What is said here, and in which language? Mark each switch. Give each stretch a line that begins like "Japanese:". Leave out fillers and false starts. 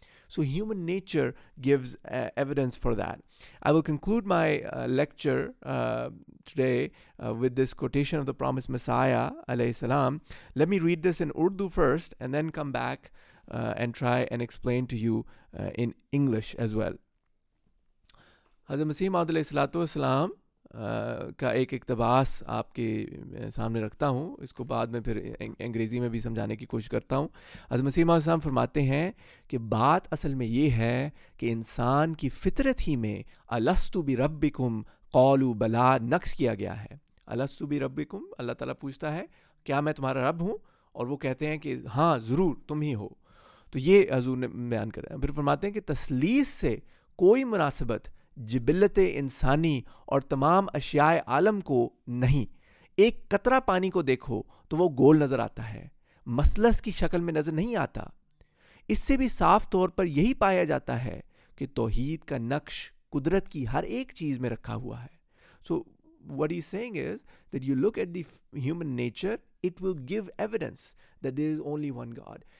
English: So human nature gives evidence for that. I will conclude my lecture today with this quotation of the promised Messiah, alayhi salam. Let me read this in Urdu first and then come back and try and explain to you in English as well.
Urdu: حضرت مسیح موعود علیہ الصلوۃ والسلام کا ایک اقتباس آپ کے سامنے رکھتا ہوں, اس کو بعد میں پھر انگریزی میں بھی سمجھانے کی کوشش کرتا ہوں. حضرت مسیح موعود علیہ السلام فرماتے ہیں کہ بات اصل میں یہ ہے کہ انسان کی فطرت ہی میں الستو بربکم قولو بلا نقص کیا گیا ہے. الستو بربکم, اللہ تعالیٰ پوچھتا ہے کیا میں تمہارا رب ہوں, اور وہ کہتے ہیں کہ ہاں ضرور تم ہی ہو. تو یہ حضور نے بیان کر رہے ہیں. پھر فرماتے ہیں کہ تسلیس سے کوئی مناسبت جبلت انسانی اور تمام اشیاء عالم کو نہیں. ایک قطرہ پانی کو دیکھو تو وہ گول نظر آتا ہے, مثلث کی شکل میں نظر نہیں آتا. اس سے بھی صاف طور پر یہی پایا جاتا ہے کہ توحید کا نقش قدرت کی ہر ایک چیز میں رکھا ہوا ہے.
English: So what is saying is that you look at the human nature, it will give evidence that there is only one God.